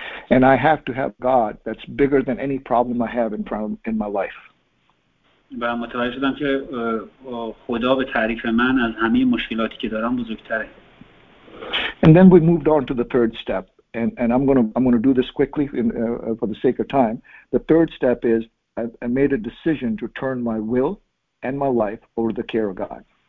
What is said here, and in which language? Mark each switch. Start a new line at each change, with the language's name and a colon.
English: And I have to have God that's bigger than any problem I have in front of, in my life.
Persian: و متوجه شدم که خدا به تعریف من از همه مشکلاتی که دارم بزرگتره.
English: And then we moved on to the third step, and I'm going to do this quickly for the sake of time. The third step is I made a decision to turn my will and my life over the care of God.